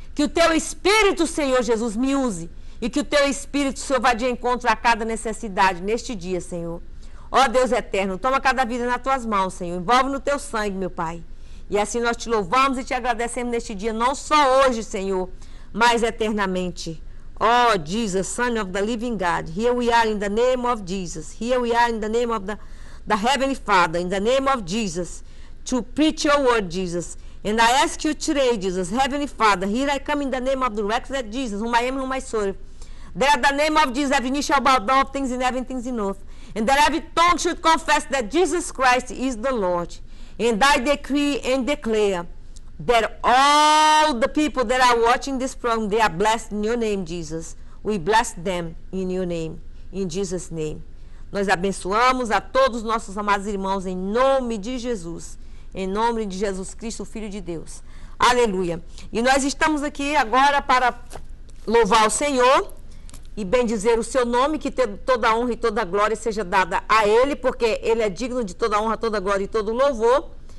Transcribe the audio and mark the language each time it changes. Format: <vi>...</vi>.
<pt>Que o Teu Espírito, Senhor Jesus, me use e que o Teu Espírito, Senhor, vá de encontro a cada necessidade neste dia, Senhor. Ó Deus eterno, toma cada vida nas Tuas mãos, Senhor. Envolve no Teu sangue, meu Pai. E assim nós Te louvamos e Te agradecemos neste dia, não só hoje, Senhor, mas eternamente.</pt> <en>Ó Jesus, Son of the Living God, here we are in the name of Jesus. Here we are in the name of the Heavenly Father, in the name of Jesus, to preach Your word, Jesus. And I ask You today, Jesus, Heavenly Father, here I come in the name of the resurrected Jesus, whom I am, whom I serve. That at the name of Jesus, every knee shall bow down of things in heaven, things in earth. And that every tongue should confess that Jesus Christ is the Lord. And I decree and declare that all the people that are watching this program, they are blessed in Your name, Jesus. We bless them in Your name, in Jesus' name.</en> <pt>Nós abençoamos a todos nossos amados irmãos em nome de Jesus. Em nome de Jesus Cristo, Filho de Deus. Aleluia. E nós estamos aqui agora para louvar o Senhor e bendizer o Seu nome, que toda a honra e toda a glória seja dada a Ele, porque Ele é digno de toda a honra, toda a glória e todo o louvor.</pt>